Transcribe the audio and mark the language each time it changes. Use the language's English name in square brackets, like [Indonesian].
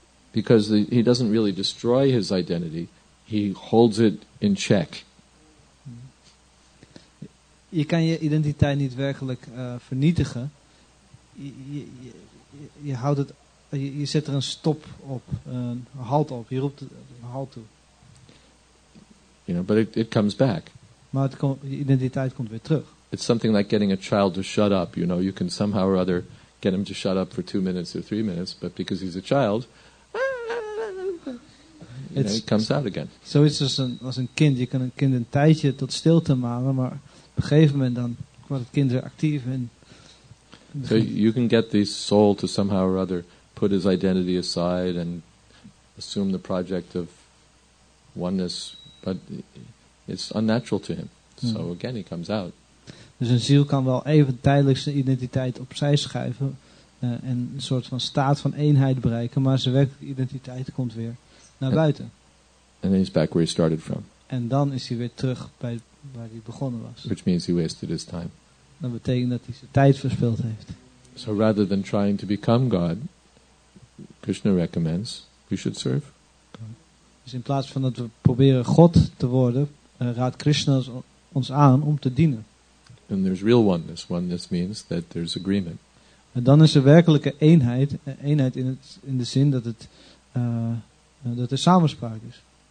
[English] Because he doesn't really destroy his identity, he holds it in check. [Dutch] Je kan je identiteit niet werkelijk vernietigen. Je houdt het. Je zet er een stop op, een halt op. Je roept een halt toe. [English] You know, but it comes back. [Dutch] Maar je identiteit komt weer terug. [English] It's something like getting a child to shut up. You know, you can somehow or other get him to shut up for 2 minutes or 3 minutes, but because he's a child, it comes out again. So it's just [Dutch] als een kind. Je kan een kind een tijdje tot stilte manen, maar op een gegeven moment dan wordt het kind weer actief. [English] So you can get the soul to somehow or other put his identity aside and assume the project of oneness, but it's unnatural to him. Mm. So again, he comes out. [Dutch] Dus een ziel kan wel even tijdelijk zijn identiteit opzij schuiven en een soort van staat van eenheid bereiken, maar zijn werkelijke identiteit komt weer naar buiten. [English] And then he's back where he started from. [Dutch] En dan is hij weer terug bij waar hij begonnen was. [English] Which means he wasted his time. [Dutch] Dat betekent dat hij zijn tijd verspild heeft. [English] So rather than trying to become God, Krishna recommends we should serve. [Dutch] Dus in plaats van dat we proberen God te worden, raadt Krishna ons aan om te dienen. [English] And there's real oneness. Oneness means that there's agreement. [Dutch] En dan is er werkelijke eenheid, eenheid in de zin dat het dat er samenspraak is.